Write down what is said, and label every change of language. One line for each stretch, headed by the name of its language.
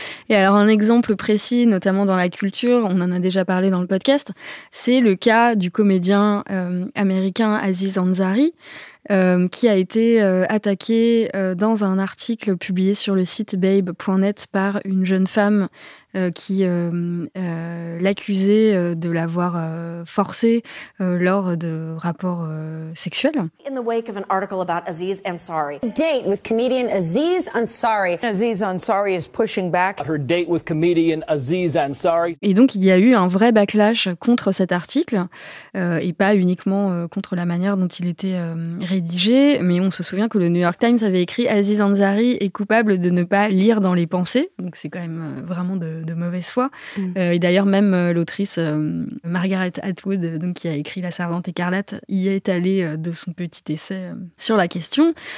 French: Et alors un exemple précis, notamment dans la culture, on en a déjà parlé dans le podcast, c'est le cas du comédien américain Aziz Ansari, qui a été attaqué dans un article publié sur le site babe.net par une jeune femme qui l'accusait de l'avoir forcé lors de rapports sexuels.
English: In the wake of an article about Aziz Ansari. Date with comedian Aziz Ansari. Aziz Ansari is pushing back. Her date with comedian Aziz Ansari.
French: Et donc il y a eu un vrai backlash contre cet article et pas uniquement contre la manière dont il était rédigé, mais on se souvient que le New York Times avait écrit Aziz Ansari est coupable de ne pas lire dans les pensées. Donc c'est quand même vraiment de mauvaise foi. Et d'ailleurs, même l'autrice Margaret Atwood, donc, qui a écrit La Servante écarlate, y est allée de son petit essai sur la question.